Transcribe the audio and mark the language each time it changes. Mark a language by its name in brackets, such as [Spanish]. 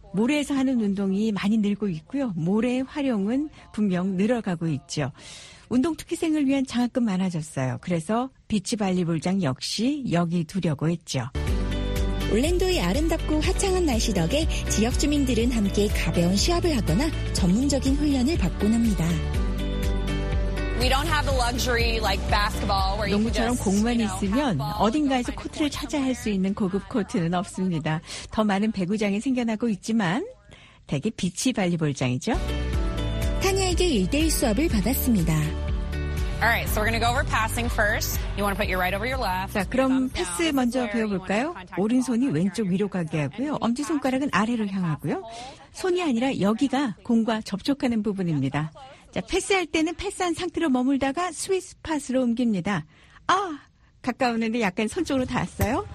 [Korean] 모래에서 하는 운동이 많이 늘고 있고요. 모래의 활용은 분명 늘어가고 있죠. 운동 특기생을 위한 장학금 많아졌어요. 그래서 비치 발리볼장 역시 여기 두려고 했죠. 올랜도의 아름답고 화창한 날씨 덕에 지역 주민들은 함께 가벼운 시합을 하거나 전문적인 훈련을 받곤 합니다. [English] We don't have the luxury like basketball where you can just [Korean] 농구처럼 공만 있으면 어딘가에서 코트를 찾아 할 수 있는 고급 코트는 없습니다. 더 많은 배구장이 생겨나고 있지만 대개 비치 발리볼장이죠. 타냐에게 1대1 수업을 받았습니다. [English] All right, so we're going to go over passing first. You want to put your right over your left. [Korean] 자, 그럼 패스 먼저 배워볼까요? 오른손이 왼쪽 위로 가게 하고요. 엄지손가락은 아래로 향하고요. 손이 아니라 여기가 공과 접촉하는 부분입니다. 자, 패스할 때는 패스한 상태로 머물다가 스윗스팟으로 옮깁니다. 아, 가까우는데 약간 손 쪽으로 닿았어요.